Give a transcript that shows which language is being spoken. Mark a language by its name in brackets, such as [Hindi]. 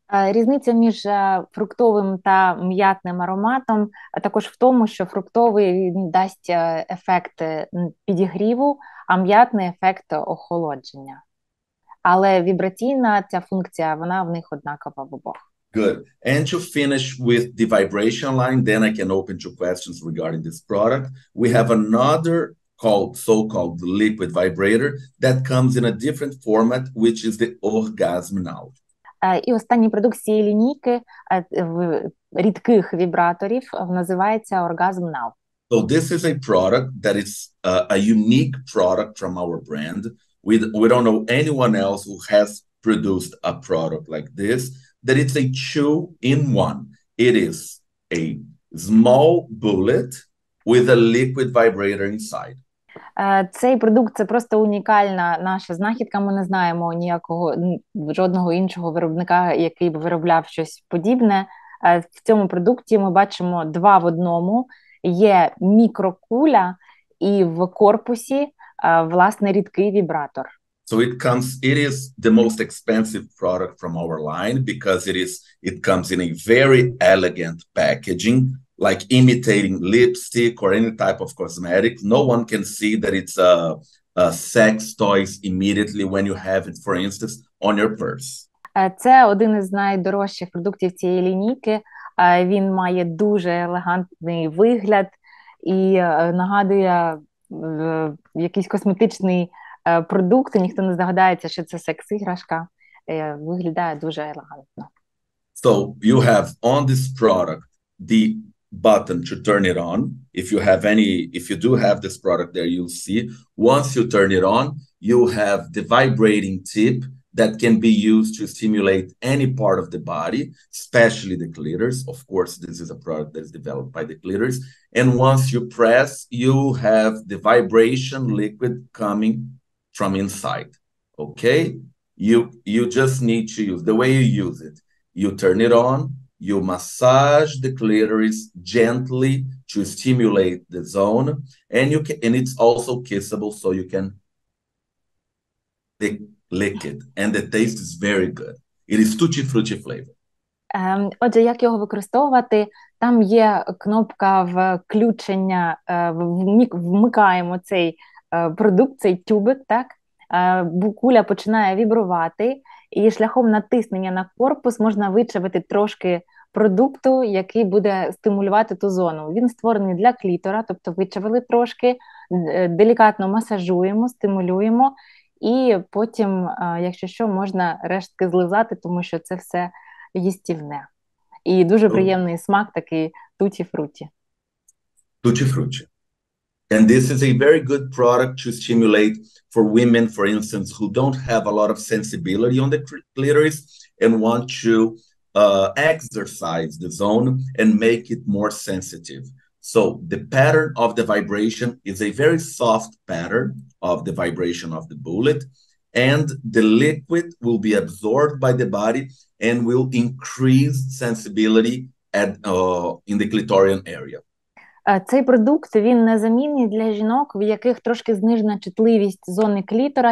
[Ukrainian] Різниця між фруктовим та м'ятним ароматом також в тому, що фруктовий дасть ефект підігріву, а м'ятний ефект охолодження. Але вібраційна ця функція, вона в них однакова в обох. [English] Good. And to finish with the vibration line, then I can open to questions regarding this product. We have another so-called liquid vibrator that comes in a different format, which is the orgasm now. [Ukrainian] І останній продукт цієї лінійки рідких вібраторів називається Orgasm Now. [English] So this is a product that is a unique product from our brand. We don't know anyone else who has produced a product like this. That it's a two-in-one. It is a small bullet with a liquid vibrator inside. [Ukrainian] Цей продукт – це просто унікальна наша знахідка. Ми не знаємо ніякого, жодного іншого виробника, який б виробляв щось подібне. В цьому продукті ми бачимо два в одному. Є мікрокуля і в корпусі, власне, рідкий вібратор. [English] So it is the most expensive product from our line because it comes in a very elegant packaging, like imitating lipstick or any type of cosmetics. No one can see that it's a sex toys immediately when you have it, for instance, on your purse. [Ukrainian] Це один із найдорожчих продуктів цієї лінійки. Він має дуже елегантний вигляд і нагадує якийсь косметичний продукт. Ніхто не здогадається, що це секс-іграшка. Виглядає дуже елегантно. [English] So you have on this product the button to turn it on. If you do have this product there, you'll see. Once you turn it on, you have the vibrating tip that can be used to stimulate any part of the body, especially the clitoris. Of course, this is a product that is developed by the clitoris. And once you press, you have the vibration liquid coming from inside. Okay? You just need to use the way you use it. You turn it on, you massage the clitoris gently to stimulate the zone, and it's also kissable, so you can lick it, and the taste is very good. It is tutti-frutti flavor. [Ukrainian] Отже, як його використовувати? Там є кнопка включення, вмикаємо цей продукт, цей тюбик, так? Букуля починає вібрувати, і шляхом натиснення на корпус можна вичавити трошки продукту, який буде стимулювати ту зону. Він створений для клітора, тобто вичавили трошки, делікатно масажуємо, стимулюємо, і потім, якщо що, можна рештки злизати, тому що це все їстівне. І дуже приємний смак такий туті-фруті. Туті-фруті. [English] And this is a very good product to stimulate for women, for instance, who don't have a lot of sensibility on the clitoris and want to exercise the zone and make it more sensitive. So the pattern of the vibration is a very soft pattern of the vibration of the bullet, and the liquid will be absorbed by the body and will increase sensibility in the clitorian area. [Ukrainian] Цей продукт, він незамінний для жінок, в яких трошки знижена чутливість зони клітора.